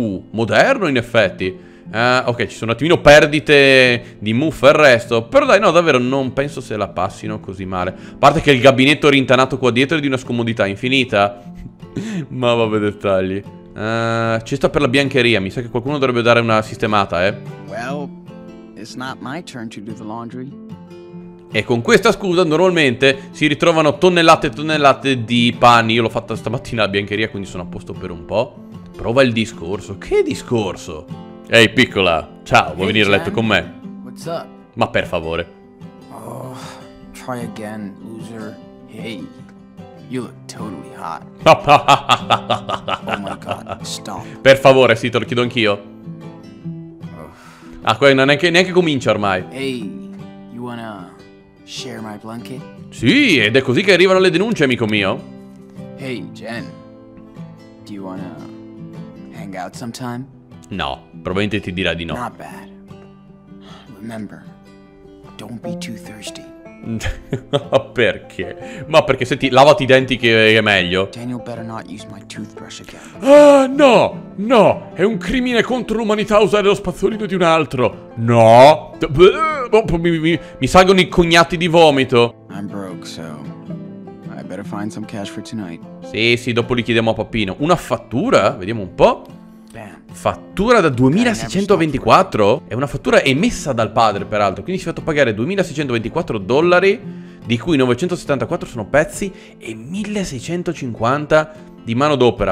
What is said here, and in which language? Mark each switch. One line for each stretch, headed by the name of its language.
Italian: Moderno in effetti. Ok, ci sono un attimino perdite di muffa e il resto. Però dai, no, davvero non penso se la passino così male. A parte che il gabinetto rintanato qua dietro è di una scomodità infinita. Ma vabbè, dettagli. Cesta per la biancheria. Mi sa che qualcuno dovrebbe dare una sistemata, eh.
English: Well, it's not my turn to do the laundry.
Italian: E con questa scusa normalmente si ritrovano tonnellate e tonnellate di panni. Io l'ho fatta stamattina alla biancheria, quindi sono a posto per un po'. Prova il discorso. Che discorso? Ehi, piccola. Ciao, vuoi venire a letto con me?
English: What's up?
Italian: Ma per favore.
English: Oh, try again, loser. Hey, you look totally hot. Oh my god, stop.
Italian: Per favore, sì, te lo chiedo anch'io. Ah, qua non è che neanche comincia ormai.
English: Hey, you wanna share my blanket?
Italian: Sì, ed è così che arrivano le denunce, amico mio.
English: Hey, Jen. Do you wanna hang out sometime?
Italian: No, probabilmente ti dirà di no.
English: Not bad. Remember, don't be too thirsty.
Italian: Ma perché? Ma perché, senti, lavati i denti che è meglio.
English: Daniel better not use my toothbrush again.
Italian: Ah, no, no, è un crimine contro l'umanità usare lo spazzolino di un altro. No, mi salgono i cognati di vomito.
English: I'm broke, so I better find some cash for tonight.
Italian: Sì, dopo li chiediamo a Pappino. Una fattura? Vediamo un po'. Fattura da 2624? È una fattura emessa dal padre, peraltro. Quindi si è fatto pagare $2624, di cui 974 sono pezzi e 1650 di mano d'opera.